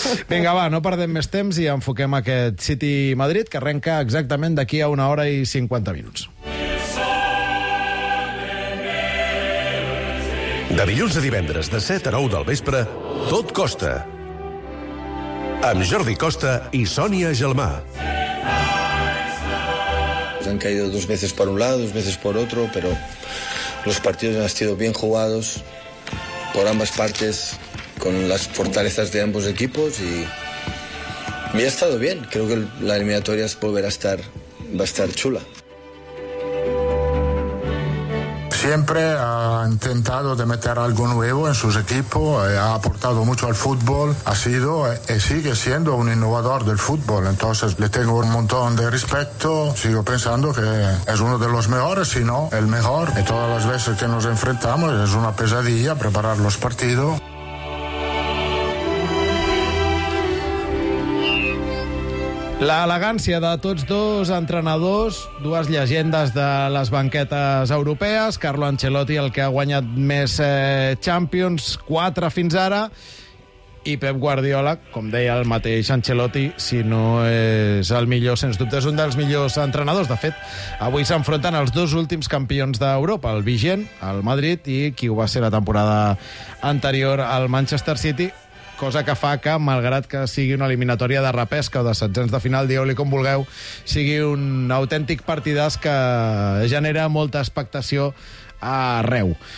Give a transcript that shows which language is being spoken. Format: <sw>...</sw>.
<ca>Vinga, va, no perdem més temps i enfoquem aquest City-Madrid, que arrenca exactament d'aquí a 1:50. De dilluns a divendres, de 7 a 9 del vespre, Tot Costa. Amb Jordi Costa i Sònia Gelmà.</ca> <es>Han caído dos veces por un lado, dos veces por otro, pero los partidos han sido bien jugados por ambas partes, con las fortalezas de ambos equipos, y ha estado bien. Creo que la eliminatoria va a estar chula. Siempre ha intentado de meter algo nuevo en sus equipos, ha aportado mucho al fútbol, ha sido y sigue siendo un innovador del fútbol, entonces le tengo un montón de respeto, sigo pensando que es uno de los mejores, si no el mejor, y todas las veces que nos enfrentamos es una pesadilla preparar los partidos.</es> <ca>La elegància de tots dos entrenadors, dues llegendes de les banquetes europees, Carlo Ancelotti, el que ha guanyat més Champions, 4 fins ara, i Pep Guardiola, com deia el mateix Ancelotti, si no és el millor, sens dubte, és un dels millors entrenadors. De fet, avui s'enfronten els dos últims campions d'Europa, el vigent, el Madrid, i qui ho va ser la temporada anterior, el Manchester City, cosa que fa que, malgrat que sigui una eliminatòria de repesca o de setzens de final, digueu-li com vulgueu, sigui un autèntic partidàs que genera molta expectació arreu.</ca>